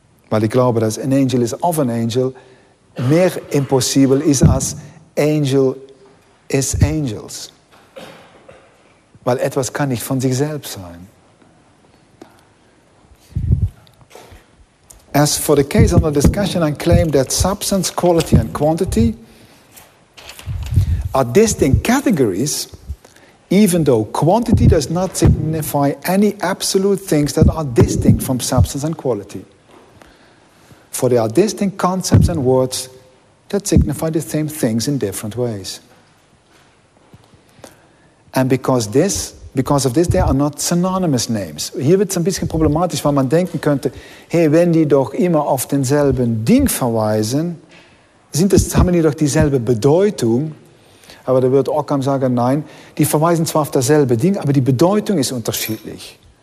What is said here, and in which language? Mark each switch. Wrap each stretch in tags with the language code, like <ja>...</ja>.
<de>Weil ich glaube, dass</de> <en>an angel is of an angel</en> <de>mehr</de> <en>impossible</en> <de>ist als</de> <en>angel is angels.</en> <de>Weil etwas kann nicht von sich selbst sein.</de> <en>As for the case under discussion, I claim that substance, quality and quantity are distinct categories, even though quantity does not signify any absolute things that are distinct from substance and quality. For they are distinct concepts and words that signify the same things in different ways. And because of this, they are not synonymous names.</en> <de>Hier wird es ein bisschen problematisch, weil man denken könnte, hey, wenn die doch immer auf denselben Ding verweisen, haben die doch dieselbe Bedeutung. Aber da wird Ockham sagen, nein, die verweisen zwar auf dasselbe Ding, aber die Bedeutung ist unterschiedlich.</de>